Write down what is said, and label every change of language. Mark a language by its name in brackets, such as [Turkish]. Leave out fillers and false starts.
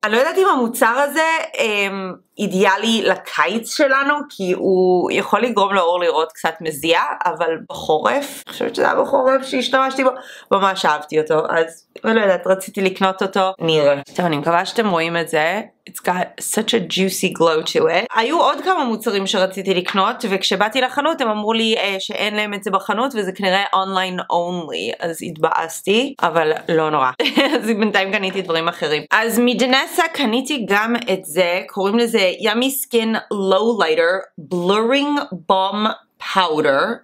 [Hebrew] אני לא יודעת אם המוצר הזה אידיאלי לקיץ שלנו, כי הוא יכול לגרום לאור לראות קצת מזיע, אבל בחורף, אני חושבת שזה היה בחורף שהשתמשתי בו, ממש אהבתי אותו, אז לא יודעת, רציתי לקנות אותו, נראה. טוב, אני מקווה שאתם רואים את זה. [English] It's got such a juicy glow to it. [Hebrew] היו עוד כמה מוצרים שרציתי לקנות, וכשבאתי לחנות הם אמרו לי שאין להם את זה בחנות, וזה כנראה online only, אז התבאסתי, אבל לא נורא. אז בינתיים קניתי דברים אחרים. אז מדנסה קניתי גם את זה, קוראים לזה Yummy Skin Low Lighter Blurring Balm Powder.